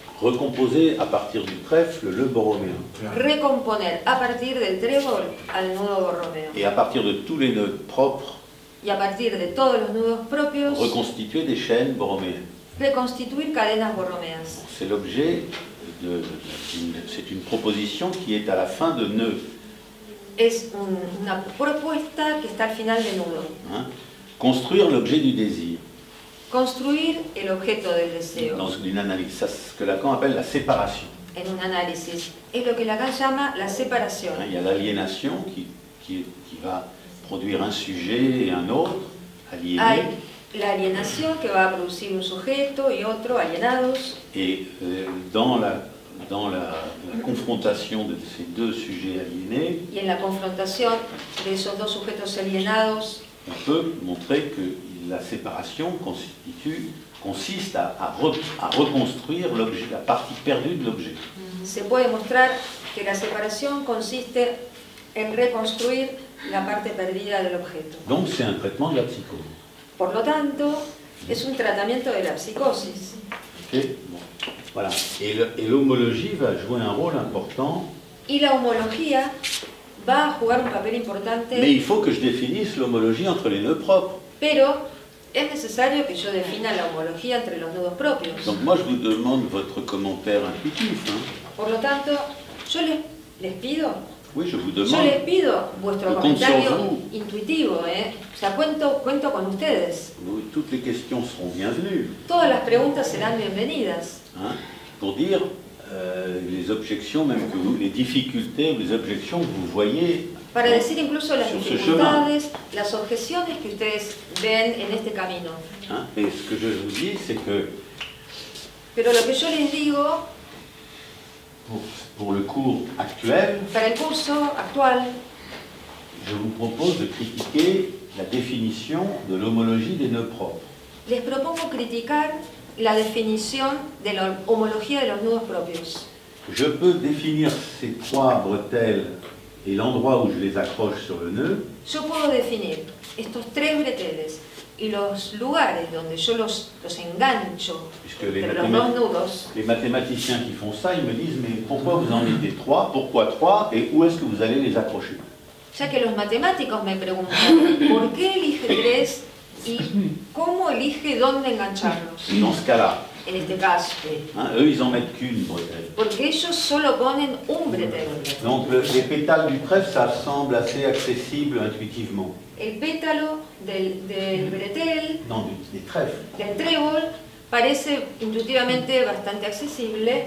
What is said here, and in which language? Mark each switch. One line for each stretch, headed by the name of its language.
French: Recomposer à partir du trèfle le borroméen.
Spanish: Recomponer a partir del trébol al nudo borromeo.
French: Et à partir de tous les nœuds propres.
Spanish: Y a partir de todos los nudos propios.
French: Reconstituer des chaînes borroméennes.
Spanish: Reconstituir cadenas borromeas.
French: C'est l'objet de c'est une proposition qui est à la fin de nœud.
Spanish: Es una propuesta que está al final de nudo.
French: Construire l'objet du désir.
Spanish: Construir el objeto del deseo.
French: Dans une analyse, ça, ce que Lacan appelle la séparation.
Spanish: En un análisis, es lo que Lacan llama la separación.
French: Il y a l'aliénation qui va produire un sujet et un autre aliénés.
Spanish: Hay la alienación que va a producir un sujeto y otro alienados.
French: Et dans la confrontation de ces deux sujets aliénés.
Spanish: Y en la confrontación de esos dos sujetos alienados.
French: On peut montrer que la séparation consiste à reconstruire l'objet, la partie perdue de l'objet.
Spanish: Se puede mostrar que la separación consiste en reconstruir la parte perdida del objeto.
French: Donc c'est un traitement de la psychose.
Spanish: Por lo tanto, es un tratamiento de la psicosis.
French: Ok, bon. Voilà. Et l'homologie va jouer un rôle important.
Spanish: Y la homología va a jugar un papel importante.
French: Mais il faut que je définisse l'homologie entre les nœuds propres.
Spanish: Pero es necesario que yo defina la homología entre los nudos propios.
French: Donc moi je vous demande votre commentaire intuitif.
Spanish: Por lo tanto, yo les pido.
French: Oui, je vous demande.
Spanish: Yo les pido vuestro comentario intuitivo, ¿eh? O sea, cuento con ustedes.
French: Oui, toutes les questions seront bienvenues.
Spanish: Todas las preguntas serán bienvenidas.
French: Pour dire les objections, même que vous, les difficultés, les objections que vous voyez.
Spanish: Para decir incluso las dificultades, las objeciones que ustedes ven en este camino.
French: Mais ce que je vous dis, c'est que.
Spanish: Pero lo que yo les digo.
French: Pour le cours actuel.
Spanish: Para el curso actual.
French: Je vous propose de critiquer la définition de l'homologie des nœuds propres.
Spanish: Les propongo criticar la definición de la homología de los nudos propios.
French: Je peux définir ces trois bretelles et l'endroit où je les accroche sur le nœud.
Spanish: Yo puedo definir estos tres breteles y los lugares donde yo los engancho entre los dos nudos.
French: Les mathématiciens qui font ça, ils me disent, mais pourquoi vous en mettez trois? Pourquoi trois? Et où est-ce que vous allez les accrocher?
Spanish: Ya que los matemáticos me preguntan, ¿por qué elige tres y cómo elige dónde engancharlos?
French: Dans ce cas-là.
Spanish: En este caso.
French: Hein, eux, ils en mettent qu'une bretelle.
Spanish: Porque ellos solo ponen un bretelle.
French: Donc, les pétales du trèfle, ça semble assez accessible intuitivement.
Spanish: El pétalo del bretel.
French: Non, des trèfles.
Spanish: Del trébol parece intuitivamente bastante accessible.